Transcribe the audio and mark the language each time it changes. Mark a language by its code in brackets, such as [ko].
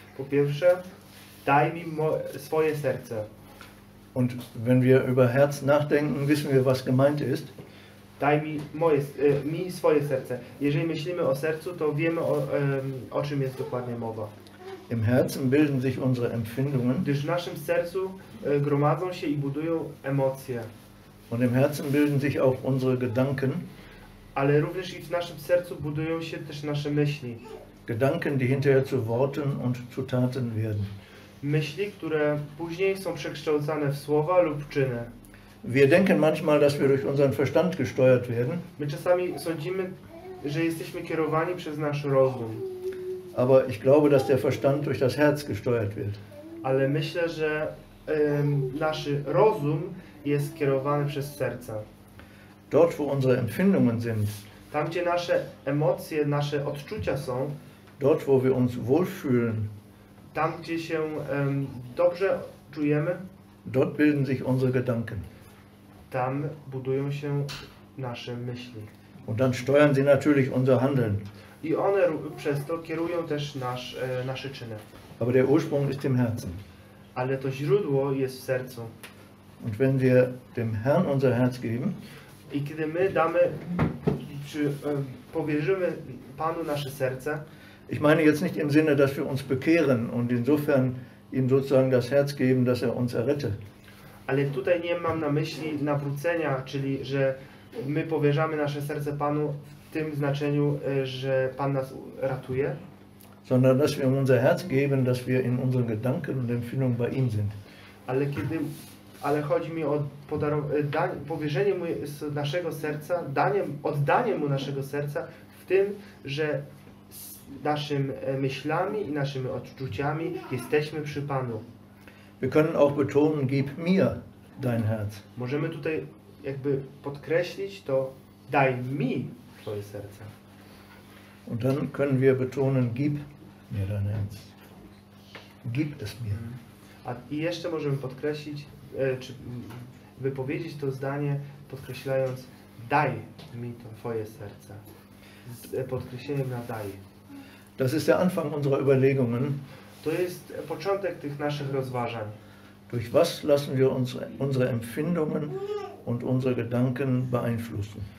[pl] Po pierwsze, daj mi swoje serce. [de] Und wenn wir über Herz nachdenken, wissen wir, was gemeint ist. [pl] Daj mi mi swoje serce. Jeżeli myślimy o sercu, to wiemy o czym jest dokładnie mowa. [de] Im Herzen bilden sich unsere Empfindungen. [pl] Gdyż w naszym sercu gromadzą się i budują emocje. [de] Und im Herzen bilden sich auch unsere Gedanken. [pl] Ale również i w naszym sercu budują się też nasze myśli. [de] Gedanken, die hinterher zu Worten und zu Taten werden. [pl] Myśli, które później są przekształcane w słowa lub czyny. [de] Wir denken manchmal, dass wir durch unseren Verstand gesteuert werden. [pl] My czasami sądzimy, że jesteśmy kierowani przez nasz rozum. [de] Aber ich glaube, dass der Verstand durch das Herz gesteuert wird. [pl] Ale myślę, że nasz rozum jest kierowany przez serce. [de] Dort, wo unsere Empfindungen sind. [pl] Tam, gdzie nasze emocje, nasze odczucia są. [de] Dort, wo wir uns wohlfühlen. [pl] Tam, gdzie się dobrze czujemy. [de] Dort bilden sich unsere Gedanken. [pl] Tam budują się nasze myśli. [de] Und dann steuern sie natürlich unser Handeln. [pl] I one przez to kierują też nasze czyny. [de] Aber der Ursprung ist im Herzen. [pl] Ale to źródło jest w sercu. [de] Und wenn wir dem Herrn unser Herz geben, [pl] i kiedy my damy, czy powierzymy Panu nasze serce, [de] ich meine jetzt nicht im Sinne, dass wir uns bekehren und insofern ihm sozusagen das Herz geben, dass er uns errette. [pl] Ale tutaj nie mam na myśli nawrócenia, czyli że my powierzamy nasze serce Panu w tym znaczeniu, że Pan nas ratuje. [de] Sondern dass wir ihm unser Herz geben, dass wir in unseren Gedanken und Empfindungen bei ihm sind. [pl] Ale chodzi mi o powierzenie mu naszego serca, oddanie mu naszego serca w tym, że z naszymi myślami i naszymi odczuciami jesteśmy przy Panu. [de] Wir können auch betonen, gib mir dein Herz. [pl] Możemy tutaj jakby podkreślić to, daj mi twoje serce. [de] Und dann können wir betonen, gib mir dein Herz. Gib es mir. [pl] I jeszcze możemy podkreślić, czy wypowiedzieć to zdanie, podkreślając, daj mi to twoje serce. Z podkreśleniem na daj. [de] Das ist der Anfang unserer Überlegungen. [pl] To jest początek tych naszych rozważań. [de] Durch was lassen wir unsere Empfindungen und unsere Gedanken beeinflussen?